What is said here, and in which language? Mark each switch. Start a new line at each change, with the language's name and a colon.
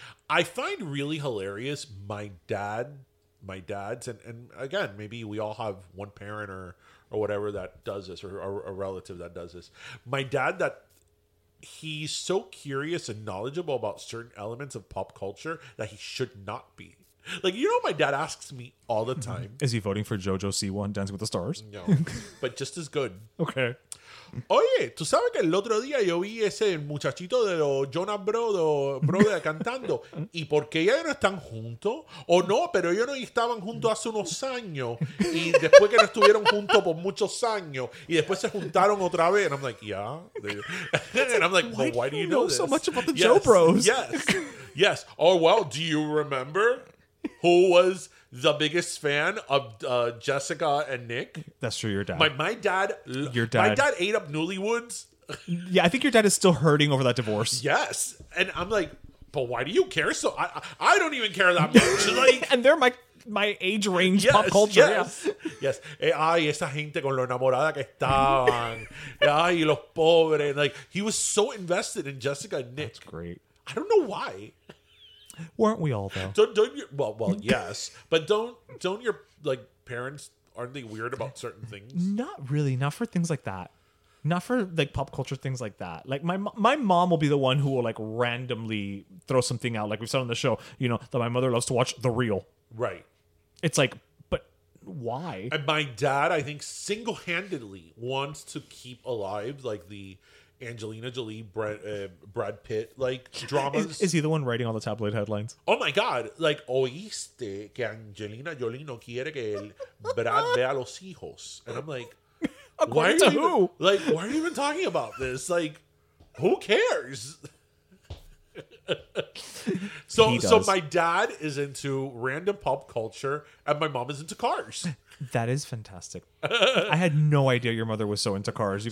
English: I find really hilarious my dad's and again maybe we all have one parent or whatever that does this or a relative that does this. My dad, that he's so curious and knowledgeable about certain elements of pop culture that he should not be. Like, you know, my dad asks me all the time, is he voting for JoJo Siwa in Dancing with the Stars? No. But just as good. Okay.
Spanish: Oye, tú sabes que el otro día yo vi ese muchachito de los Jonas Brothers cantando. ¿Y por qué ellos no están juntos? O no, pero ellos no estaban juntos hace unos años. Y después que no estuvieron juntos por muchos años. Y después se juntaron otra vez.
English: And I'm like, yeah. And I'm like, well, why do you know this? So much about the yes, Joe Bros. Yes. Yes. Oh, well, do you remember who was the biggest fan of Jessica and Nick? That's true. Your dad. My dad ate up Newlyweds. Yeah, I think your dad is still hurting over that divorce. Yes. And I'm like, but why do you care? So I don't even care that much. Like, and they're my age range, yes, pop culture. Yes. Yeah. Yes.
Spanish: Ay, esa gente con lo enamorada que estaban. Ay, los pobres.
English: Like, he was so invested in Jessica and Nick. That's great. I don't know why. Weren't we all though? Well, yes, but don't your like parents, aren't they weird about certain things? Not really, not for things like that, not for like pop culture things like that. Like my mom will be the one who will like randomly throw something out. Like we've said on the show, you know, that my mother loves to watch The Real. Right. It's like, but why? And my dad, I think, single handedly wants to keep alive like the Angelina Jolie, Brad Pitt, like dramas. Is he the one writing all the tabloid headlines? Oh my God. Like,
Spanish: oíste que Angelina Jolie no quiere que el Brad vea los hijos.
English: And I'm like, according to who? Like, why are you even talking about this? Like, who cares? So my dad is into random pop culture and my mom is into cars. That is fantastic. I had no idea your mother was so into cars.